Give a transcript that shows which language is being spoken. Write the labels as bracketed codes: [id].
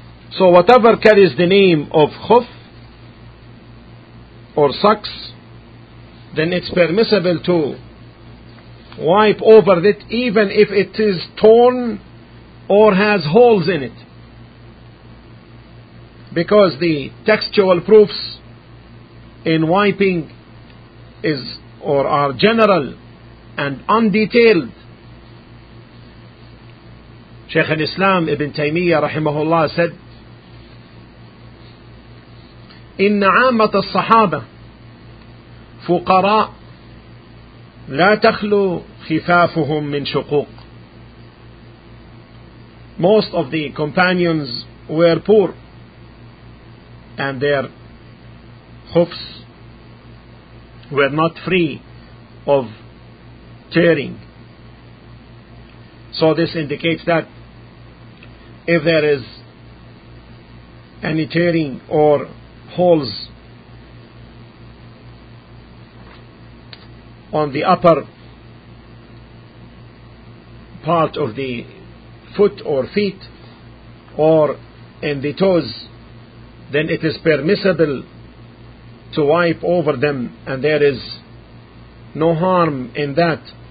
[en] So whatever carries the name of hoof or socks, then it's permissible to wipe over it, even if it is torn or has holes in it, because the textual proofs in wiping are general and undetailed. [ar] Shaykh al-Islam Ibn Taymiyyah rahimahullah said, إِنَّ عَامَةَ الصَّحَابَةِ فُقَرَاءَ لَا تَخْلُوا خِفَافُهُمْ مِنْ شُقُوقٍ. [en] Most of the companions were poor, and their hoofs were not free of tearing. So this indicates that if there is any tearing or holes on the upper part of the foot or feet or in the toes, then it is permissible to wipe over them, and there is no harm in that,